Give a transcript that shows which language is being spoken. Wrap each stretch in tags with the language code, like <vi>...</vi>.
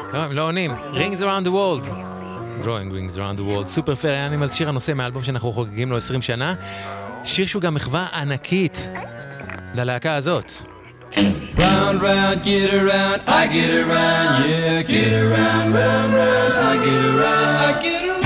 <he>לא עונים.</he> <en>Rings around the world. Drawing rings around the world.</en> <he>סופר פרי אנימלז, שיר הנושא מאלבום שאנחנו חוגגים לו 20 שנה. שיר שהוא גם מחווה ענקית ללהקה הזאת.</he> <en>Round, round, get around, I get around, yeah, get around, round, round, I get around, I get around.</en>